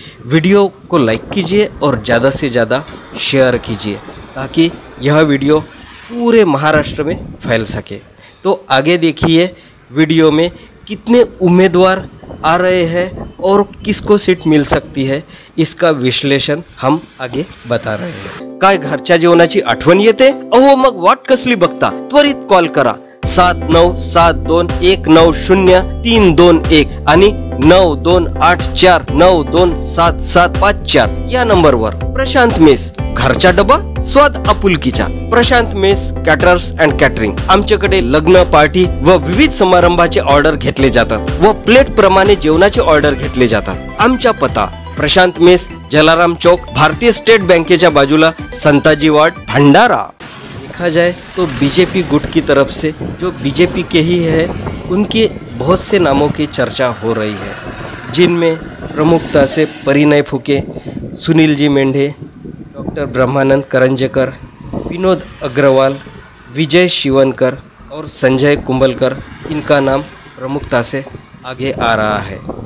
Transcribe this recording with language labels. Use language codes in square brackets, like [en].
[hi] Video को like कीजिए और ज़्यादा से ज़्यादा शेयर कीजिए, ताकि यह वीडियो पूरे महाराष्ट्र में फैल सके। तो आगे देखिए वीडियो में कितने उम्मीदवार आ रहे हैं और किसको सीट मिल सकती है, इसका विश्लेषण हम आगे बता रहे हैं। [mr] काय घरच्या जेवणाची आठवण येते? अहो मग वाट कसली बघता? त्वरित कॉल करा 7972190321 आणि 9284927754 या नंबरवर। प्रशांत मेस, घरचा डबा स्वाद आपुलकीचा। Prashant mess caterers and catering. आमच्याकडे लग्न, पार्टी व विविध समारंभाचे ऑर्डर घेतले जातात व प्लेट प्रमाणे जेवणाचे ऑर्डर घेतले जातात। आमचा पता, प्रशांत मेस, जलाराम चौक, भारतीय स्टेट बँकेच्या बाजूला, संताजी वार्ड, भंडारा। [hi] देखा जाए तो बीजेपी गुट की तरफ से जो बीजेपी के ही है, उनके बहुत से नामों की चर्चा हो रही है, जिनमें प्रमुखता से परिणय फुके, सुनील जी मेंढे, डॉक्टर ब्रह्मानंद करंजेकर, विनोद अग्रवाल, विजय शिवनकर और संजय कुंभलकर, इनका नाम प्रमुखता से आगे आ रहा है।